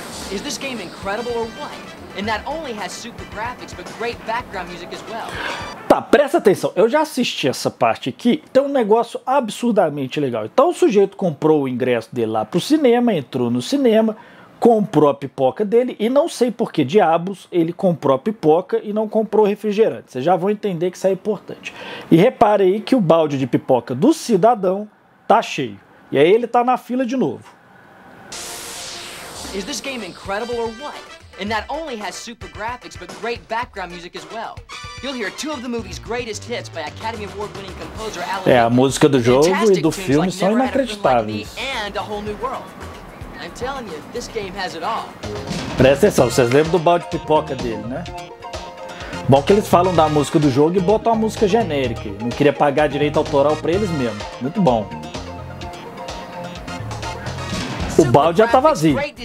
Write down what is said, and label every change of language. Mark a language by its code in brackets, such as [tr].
[en] Is this game incredible or what? And that only has super graphics, but great background music as well. [pt] Tá, presta atenção. Eu já assisti essa parte aqui. Tem um negócio absurdamente legal. Então o sujeito comprou o ingresso dele lá pro cinema, entrou no cinema, comprou a pipoca dele e não sei por que diabos ele comprou a pipoca e não comprou o refrigerante. Vocês já vão entender que isso é importante. E repare aí que o balde de pipoca do cidadão tá cheio. E aí ele tá na fila de novo. [en] Is this game incredible or what? And that only has super graphics, but great background music as well. You'll hear two of the movie's greatest hits by Academy Award-winning composer Alan. [pt] É, a música do jogo e do filme são inacreditáveis. [en] And a whole new world. I'm telling you, this game has it all. [pt] Presta atenção, vocês lembram do balde de pipoca dele, né? Bom que eles falam da música do jogo e botam a música genérica. Não queria pagar direito autoral pra eles mesmo. Muito bom. O balde já tá vazio.